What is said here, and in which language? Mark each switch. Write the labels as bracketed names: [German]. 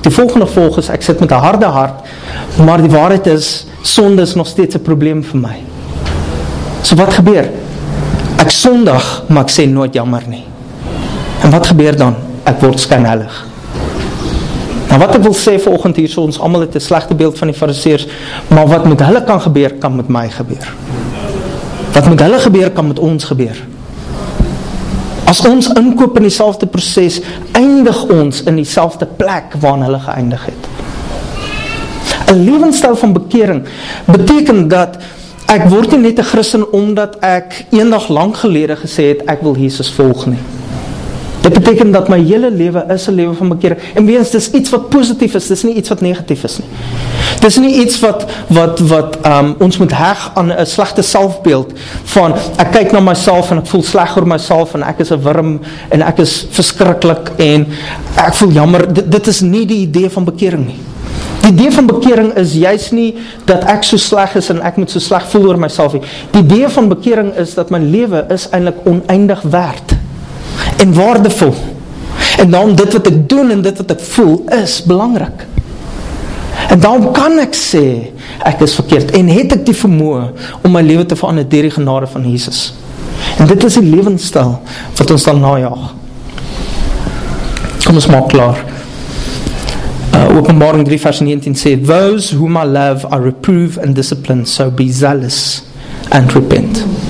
[Afrikaans] Die volgende gevolg is, ek sit met 'n harde hart, maar die waarheid is, sonde is nog steeds 'n probleem vir my. So wat gebeur? Ek sondig, maar ek sê nooit jammer nie. En wat gebeur dan? Ek word skynheilig. Nou wat ek wil sê vanoggend hier, so ons allemaal het 'n slegte beeld van die fariseers, maar wat met hulle kan gebeur, kan met my gebeur. Wat met hulle gebeur, kan met ons gebeur. As ons inkoop in dieselfde proses, eindig ons in dieselfde plek waar hulle geëindig het. 'N lewensstyl van bekering beteken dat ek word nie net 'n Christen omdat ek eendag lank gelede gesê het ek wil Jesus volg nie. Dit beteken dat my hele lewe is 'n lewe van bekering. En weens, dis iets wat positief is, dis nie iets wat negatief is nie. Dis nie iets wat ons moet heg aan 'n slegte selfbeeld van ek kyk na myself en ek voel sleg oor myself en ek is 'n wurm en ek is verskriklik en ek voel jammer. Dit is nie die idee van bekering nie. Die idee van bekering is juist nie dat ek so sleg is en ek moet so sleg voel oor myself nie. Die idee van bekering is dat my lewe is eintlik oneindig werd en waardevol. En daarom dit wat ek doen en dit wat ek voel is belangrik. En daarom kan ek sê, ek is verkeerd. En het ek die vermoë om my lewe te verander deur die genade van Jesus. En dit is die lewenstyl wat ons dan najaag. Kom ons maak klaar. Openbaring 3 vers 19 sê, [English] those whom I love I reprove and discipline, so be zealous and repent.